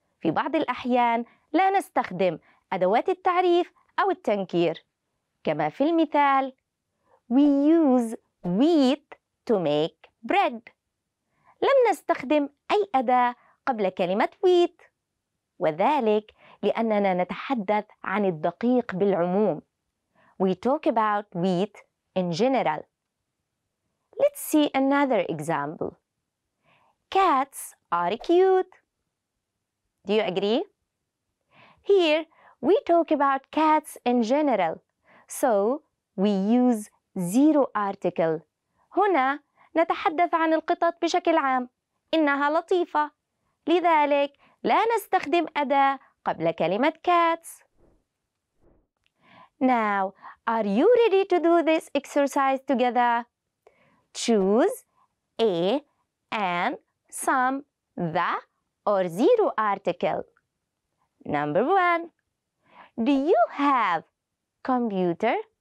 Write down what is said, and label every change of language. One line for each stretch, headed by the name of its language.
Arabic: في بعض الأحيان لا نستخدم أدوات التعريف أو التنكير، كما في المثال
English: we use wheat to make bread.
Arabic: لم نستخدم أي أداة قبل كلمة wheat، وذلك لأننا نتحدث عن الدقيق بالعموم.
English: We talk about wheat in general. Let's see another example. Cats are cute. Do you agree? Here, we talk about cats in general. So, we use zero article.
Arabic: هنا نتحدث عن القطط بشكل عام. إنها لطيفة. لذلك لا نستخدم أداة قبل كلمة cats.
English: Now, are you ready to do this exercise together? Choose a and some the or zero article. Number one, do you have computer?